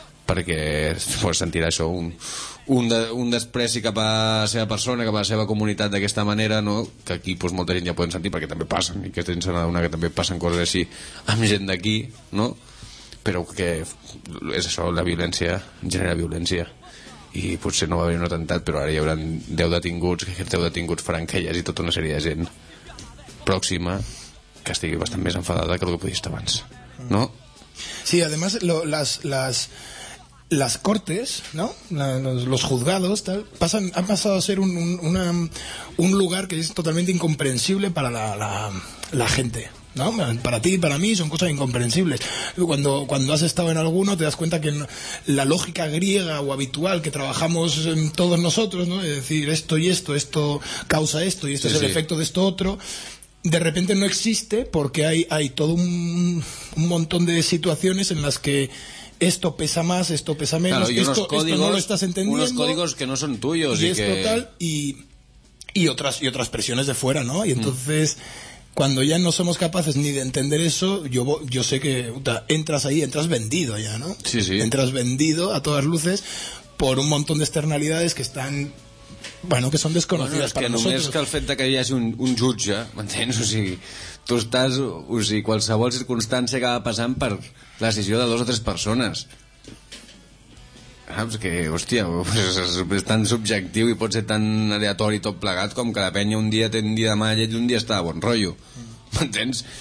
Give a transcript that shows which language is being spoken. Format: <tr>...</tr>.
<ca>perquè pues, sentirà això un despreci cap a la seva persona, cap a la seva comunitat d'aquesta manera, no?, que aquí pues, molta gent ja poden sentir perquè també passen, i que tens una que també passen coses així amb gent d'aquí, no?, però que és això, la violència genera violència, i potser no va haver un atemptat, però ara hi haurà 10 detinguts, que aquests 10 detinguts faran que hi hagi tota una sèrie de gent pròxima que estigui bastant més enfadada que el que podia estar abans, no?</ca> <es>Sí, además las cortes, ¿no?, los juzgados, tal, han pasado a ser un lugar que es totalmente incomprensible para la gente, ¿no? Para ti y para mí son cosas incomprensibles. Cuando has estado en alguno te das cuenta que la lógica griega o habitual que trabajamos en todos nosotros, ¿no?, es decir, esto y esto, esto causa esto y esto sí, es el sí. efecto de esto otro, de repente no existe porque hay todo un montón de situaciones en las que esto pesa más, esto pesa menos, claro, esto no lo estás entendiendo. Unos códigos que no son tuyos. Y esto que... tal, y otras presiones de fuera, ¿no? Y entonces, cuando ya no somos capaces ni de entender eso, yo sé que entras ahí, entras vendido ya, ¿no? Sí, sí. Entras vendido a todas luces por un montón de externalidades que están... Bueno, que són desconocides</es> <ca>per nosaltres. Només que el fet que hi hagi un jutge, m'entens? O sigui, tu estàs... O sigui, qualsevol circumstància acaba passant per la decisió de 2 o 3 persones. Saps? Que, hòstia, és tan subjectiu i pot ser tan aleatori tot plegat com que la penya un dia té un dia de mala llet i un dia està de bon rotllo. M'entens?</ca>